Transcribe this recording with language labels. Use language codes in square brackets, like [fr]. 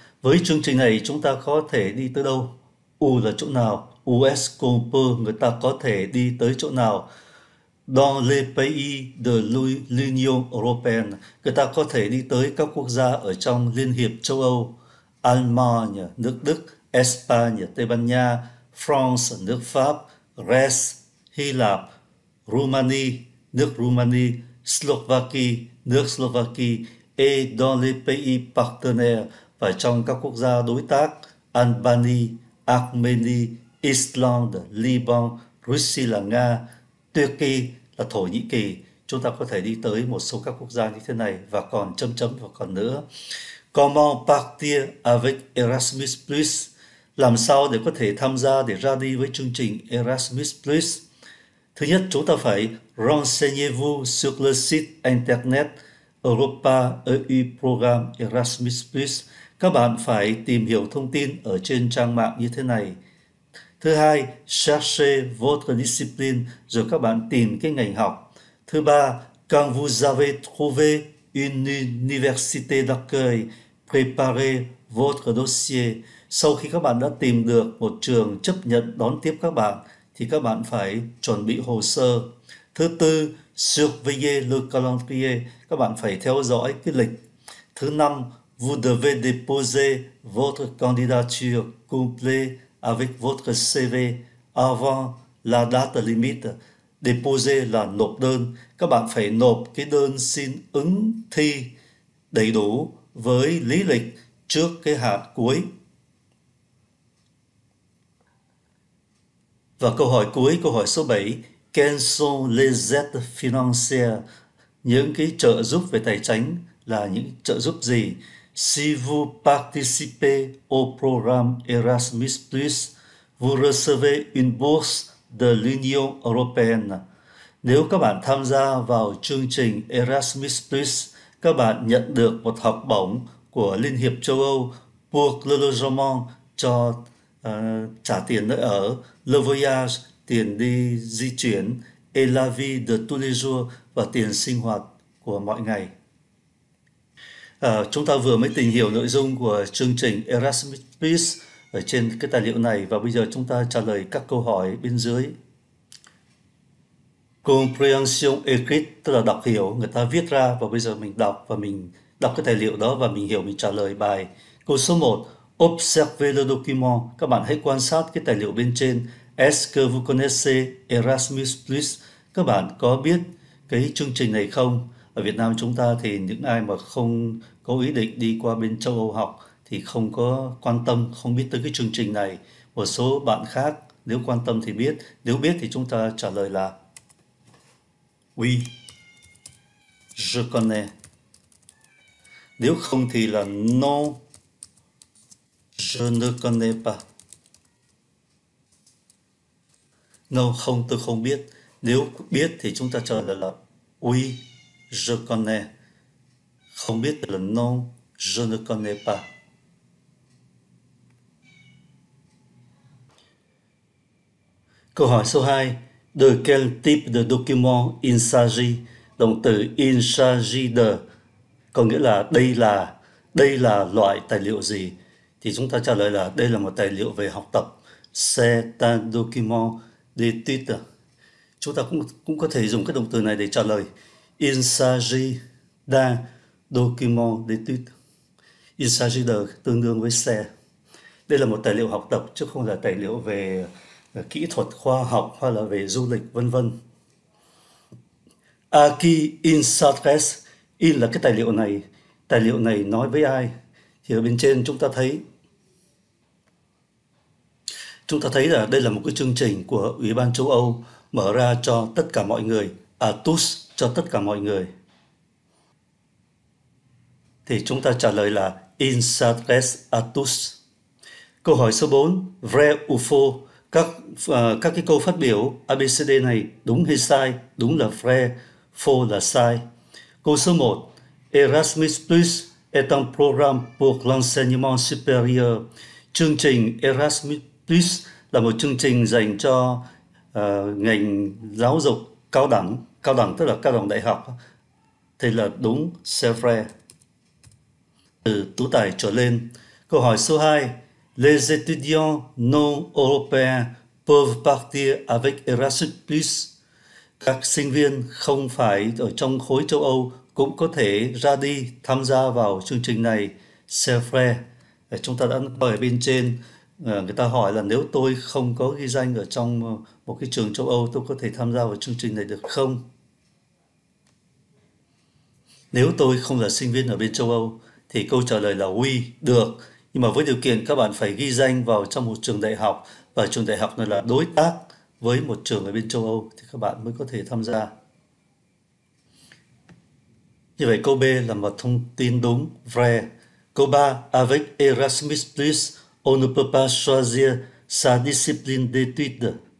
[vi] Với chương trình này chúng ta có thể đi tới đâu? U là chỗ nào? [fr] Où est-ce qu'on peut? [vi] Người ta có thể đi tới chỗ nào? [fr] Dans les pays de l'Union européenne. [vi] Người ta có thể đi tới các quốc gia ở trong Liên hiệp châu Âu. Allemagne, nước Đức. Espagne, Tây Ban Nha. France, nước Pháp. Grèce, Hy Lạp. Rumani, nước Rumani. Slovakia, nước Slovakia. [fr] Et dans les pays partenaires, [vi] và trong các quốc gia đối tác, Albania, Armenia, Iceland, Liban, Russia là Nga, Turkey là Thổ Nhĩ Kỳ. Chúng ta có thể đi tới một số các quốc gia như thế này và còn chấm chấm và còn nữa. [fr] Comment partir avec Erasmus Plus? [vi] Làm sao để có thể tham gia để ra đi với chương trình Erasmus Plus? Thứ nhất, chúng ta phải [fr] renseignez-vous sur le site internet Europa EU Programme Erasmus Plus. [vi] Các bạn phải tìm hiểu thông tin ở trên trang mạng như thế này. Thứ hai, [fr] cherchez votre discipline, [vi] rồi các bạn tìm cái ngành học. Thứ ba, [fr] quand vous avez trouvé une université d'accueil, préparez votre dossier. [vi] Sau khi các bạn đã tìm được một trường chấp nhận đón tiếp các bạn, thì các bạn phải chuẩn bị hồ sơ. Thứ tư, [fr] surveillez le calendrier. [vi] Các bạn phải theo dõi cái lịch. Thứ năm, [fr] vous devez déposer votre candidature complet avec votre CV avant la date limite. [vi] Déposer là nộp đơn. Các bạn phải nộp cái đơn xin ứng thi đầy đủ với lý lịch trước cái hạn cuối. Và câu hỏi cuối, câu hỏi số 7. [fr] Quels sont les aides financières? [vi] Những cái trợ giúp về tài chính là những trợ giúp gì? [fr] Si vous participez au programme Erasmus+, vous recevez une bourse de l'Union européenne. [vi] Nếu các bạn tham gia vào chương trình Erasmus+, các bạn nhận được một học bổng của Liên hiệp châu Âu [fr] pour le logement [vi] cho trả tiền nơi ở, [fr] le voyage, [vi] tiền đi di chuyển, [fr] et la vie de tous les jours, [vi] và tiền sinh hoạt của mọi ngày. Chúng ta vừa mới tìm hiểu nội dung của chương trình Erasmus Peace ở trên cái tài liệu này, và bây giờ chúng ta trả lời các câu hỏi bên dưới. [fr] Compréhension écrite, [vi] tức là đọc hiểu, người ta viết ra và bây giờ mình đọc, và mình đọc cái tài liệu đó và mình hiểu, mình trả lời bài. Câu số 1, [fr] observez le document. [vi] Các bạn hãy quan sát cái tài liệu bên trên. [fr] Est-ce que vous connaissez Erasmus Plus? [vi] Các bạn có biết cái chương trình này không? Ở Việt Nam chúng ta thì những ai mà không có ý định đi qua bên châu Âu học thì không có quan tâm, không biết tới cái chương trình này. Một số bạn khác nếu quan tâm thì biết, nếu biết thì chúng ta trả lời là [fr] Oui, je connais. [vi] Nếu không thì là [fr] Non, je ne connais pas. [vi] No, không, tôi không biết. Nếu biết thì chúng ta trả lời là [fr] Oui, je connais. [vi] Không biết thì là [fr] Non, je ne connais pas. [vi] Câu hỏi số 2. [fr] De quel type de document il s'agit? [vi] Động từ [fr] il s'agit de [vi] có nghĩa là đây là loại tài liệu gì? Thì chúng ta trả lời là đây là một tài liệu về học tập. [fr] C'est un document d'études. [vi] Chúng ta cũng có thể dùng cái động từ này để trả lời. [fr] Il s'agit d'un document d'études. Il s'agit de [vi] tương đương với c. Đây là một tài liệu học tập chứ không là tài liệu về kỹ thuật khoa học hay là về du lịch vân vân. [fr] À, qui il s'adresse? [vi] In là cái tài liệu này. Tài liệu này nói với ai? Thì ở bên trên chúng ta thấy là đây là một cái chương trình của Ủy ban châu Âu mở ra cho tất cả mọi người, tous, cho tất cả mọi người. Thì chúng ta trả lời là [fr] in s'adresse à tous. [vi] Câu hỏi số 4, [fr] vrai ou faux? [vi] Các cái câu phát biểu ABCD này đúng hay sai? Đúng là vrai, faux là sai. Câu số 1, [fr] Erasmus Plus est un programme pour l'enseignement supérieur. [vi] Chương trình Erasmus Plus là một chương trình dành cho ngành giáo dục cao đẳng tức là cao đẳng đại học. Thì là đúng, [fr] c'est vrai. [vi] Từ tú tài trở lên. Câu hỏi số 2, [fr] Les étudiants non européens peuvent partir avec Erasmus+. [vi] Các sinh viên không phải ở trong khối châu Âu cũng có thể ra đi tham gia vào chương trình này, [fr] c'est vrai. [vi] Chúng ta đã coi ở bên trên, người ta hỏi là nếu tôi không có ghi danh ở trong một cái trường châu Âu, tôi có thể tham gia vào chương trình này được không? Nếu tôi không là sinh viên ở bên châu Âu, thì câu trả lời là oui, được. Nhưng mà với điều kiện các bạn phải ghi danh vào trong một trường đại học và trường đại học này là đối tác với một trường ở bên châu Âu thì các bạn mới có thể tham gia. Như vậy câu B là một thông tin đúng, vrai. Câu 3, [fr] avec Erasmus plus, on ne peut pas choisir sa discipline d'études.